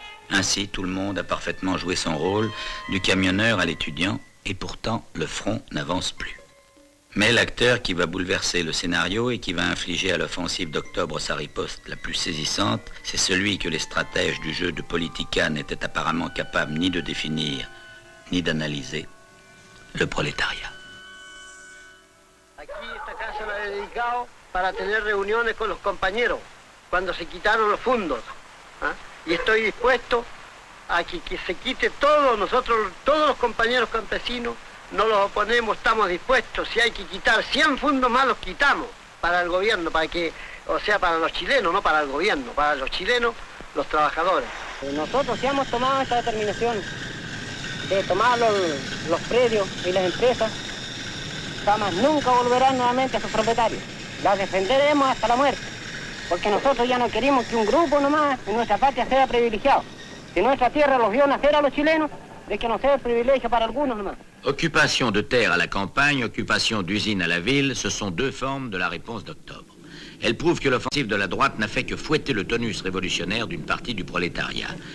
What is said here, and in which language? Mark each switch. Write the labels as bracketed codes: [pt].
[fr] Ainsi, tout le monde a parfaitement joué son rôle, du camionneur à l'étudiant, et pourtant, le front n'avance plus. Mais l'acteur qui va bouleverser le scénario et qui va infliger à l'offensive d'octobre sa riposte la plus saisissante, c'est celui que les stratèges du jeu de Politica n'étaient apparemment capables ni de définir, ni d'analyser, le prolétariat. [es] Aquí esta casa la he dedicado para tener reuniones con los compañeros, cuando se quitaron los fondos. Y estoy dispuesto a que se quite todo, nosotros, todos los compañeros campesinos, no los oponemos, estamos dispuestos, si hay que quitar 100 fondos más, los quitamos para el gobierno, para que, o sea, para los chilenos, no para el gobierno, para los chilenos, los trabajadores. Nosotros ya hemos tomado esta determinación de tomar los predios y las empresas, jamás nunca volverán nuevamente a sus propietarios, las defenderemos hasta la muerte. Porque nosotros ya no queremos que un grupo nomás en nuestra patria sea privilegiado. Si nuestra tierra los vio nacer a los chilenos, de que no sea privilegio para algunos nomás. [fr] Occupation de terre à la campagne, occupation d'usine à la ville, ce sont deux formes de la réponse d'octobre. Elles prouvent que l'offensive de la droite n'a fait que fouetter le tonus révolutionnaire d'une partie du prolétariat.